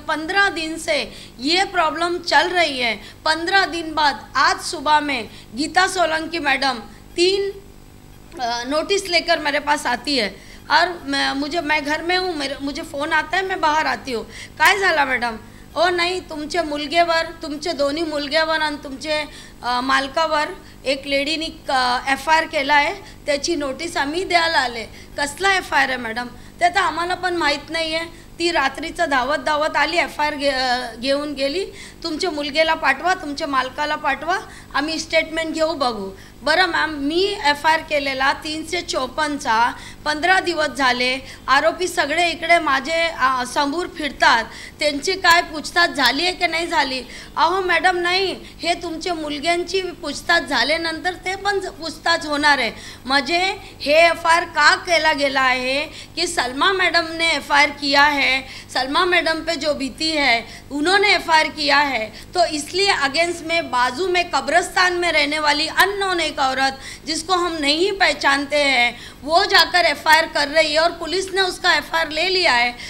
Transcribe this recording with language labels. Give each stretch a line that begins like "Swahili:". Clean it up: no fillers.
Hindi: 15 दिन से ये प्रॉब्लम चल रही है, 15 दिन बाद आज सुबह में गीता सोलंकी मैडम 3 नोटिस लेकर मेरे पास आती है और मैं घर में हूँ, मुझे फ़ोन आता है, मैं बाहर आती हूँ,
Marathi: काय झाला मैडम, ओ नहीं तुमचे मुलगे वर, तुमचे दोनों मुलगे वर आणि तुमचे मालकावर एक लेडीनी FIR केला आहे, त्याची नोटीस आम्ही द्यायला आले। कसला FIR आहे मॅडम? ते तर आम्हाला पण माहीत नाही आहे, ती रात्रीचं धावत धावत आली, FIR घेऊन गेली, तुमच्या मुलगेला पाठवा, तुमच्या मालकाला पाठवा, आम्ही स्टेटमेंट घेऊ बघू। बरं मॅम, मी FIR केलेला 354 15 दिवस झाले, आरोपी सगळे इकडे माझे समोर फिरतात, त्यांची काय पूछताछ झाली आहे की नाही झाली? अहो मॅडम नाही, हे तुमचे मुलग्यांची पूछताछ झाल्यानंतर ते पण पूछताछ होणार आहे। म्हणजे हे FIR का केला गेला आहे की सलमा
Hindi: मॅडमने FIR किया है, सलमा मॅडम पे जो भीती है उन्होंने FIR किया है, तो इसलिए अगेंस्ट में बाजू में कब्रस्तान में रहने वाली अननोन एक औरत जिसको हम नहीं पहचानते हैं वो जाकर FIR कर रही है और पुलिस ने उसका FIR ले लिया है।